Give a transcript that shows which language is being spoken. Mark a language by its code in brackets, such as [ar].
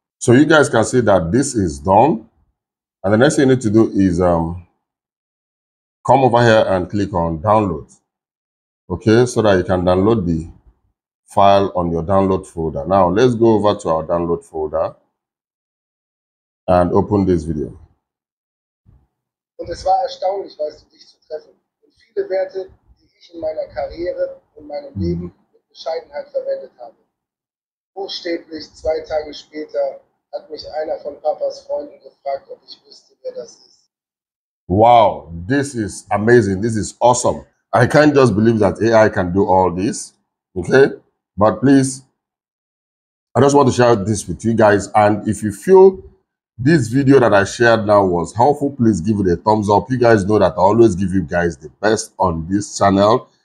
[en] So you guys can see that this is done. And the next thing you need to do is come over here and click on download. Okay, so that you can download the file on your download folder. Now let's go over to our download folder and open this video. [de] Und es war erstaunlich, weißt du, dich zu treffen. Und viele Werte, die ich in meiner Karriere und meinem Leben mit Bescheidenheit verwendet habe. Buchstäblich zwei Tage später hat mich einer von Papas Freunden gefragt, ob ich wüsste, wer das ist. [en] Wow, this is amazing. This is awesome. I can't just believe that AI can do all this. Okay? But please, I just want to share this with you guys. And if you feel this video that I shared now was helpful, please give it a thumbs up. You guys know that I always give you guys the best on this channel.